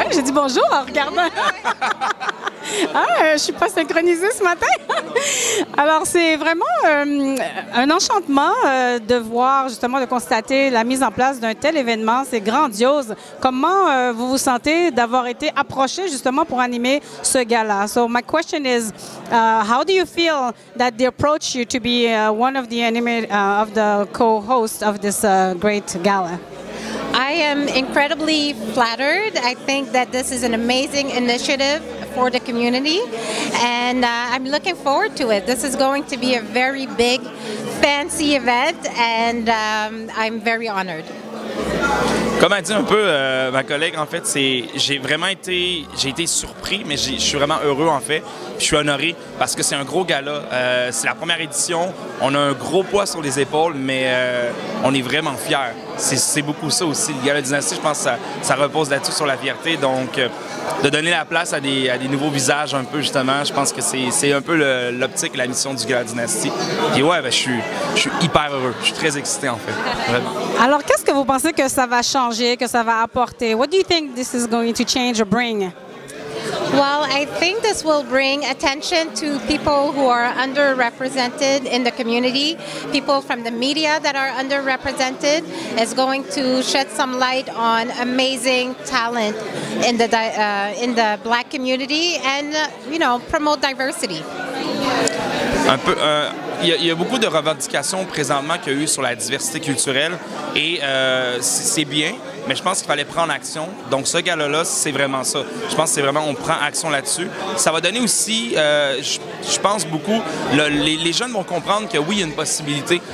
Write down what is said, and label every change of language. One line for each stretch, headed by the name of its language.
French: Ouais, j'ai dit bonjour en regardant. Ah, je suis pas synchronisée ce matin. Alors, c'est vraiment un enchantement de voir, justement, de constater la mise en place d'un tel événement. C'est grandiose. Comment vous vous sentez d'avoir été approché, justement, pour animer ce gala?
English: So, my question is, how do you feel that they approach you to be one of the of the co-hosts of this great gala? I am incredibly flattered. I think that this is an amazing initiative for the community, and I'm looking forward to it. This is going to be a very big, fancy event, and I'm very honored.
French: Comme a dit un peu ma collègue, en fait, c'est j'ai été surpris, mais je suis vraiment heureux, en fait. Puis je suis honoré parce que c'est un gros gala. C'est la première édition. On a un gros poids sur les épaules, mais on est vraiment fiers. C'est beaucoup ça aussi. Le gala dynastie, je pense que ça repose là-dessus, sur la fierté. Donc, de donner la place à des nouveaux visages un peu, justement, je pense que c'est un peu l'optique, la mission du gala dynastie. Et ouais, ben, je suis hyper heureux. Je suis très excité, en fait. Vraiment. Alors, qu'est-ce que vous pensez que ça va changer, que ça va apporter?
English: What do you think this is going to change or bring? Well, I think this will bring attention to people who are underrepresented in the community. People from the media that are underrepresented is going to shed some light on amazing talent in the black community and, you know, promote diversity.
French: Un peu, il y a beaucoup de revendications présentement qu'il y a eu sur la diversité culturelle et c'est bien. Mais je pense qu'il fallait prendre action. Donc, ce gala-là, c'est vraiment ça. Je pense que c'est vraiment, on prend action là-dessus. Ça va donner aussi, je pense beaucoup, les jeunes vont comprendre que oui, il y a une possibilité.